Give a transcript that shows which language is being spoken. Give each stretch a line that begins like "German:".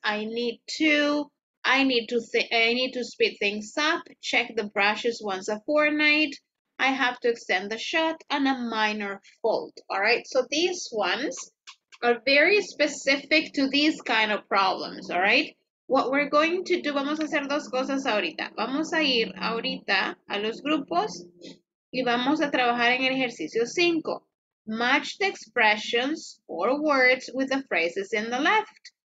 English: I need to speed things up, check the brushes once a fortnight. I have to extend the shot and a minor fault. All right, so these ones are very specific to these kind of problems, all right? What we're going to do,
Spanish: vamos a hacer dos cosas ahorita. Vamos a ir ahorita a los grupos y vamos a trabajar en el ejercicio 5.
English: Match the expressions or words with the phrases in the left.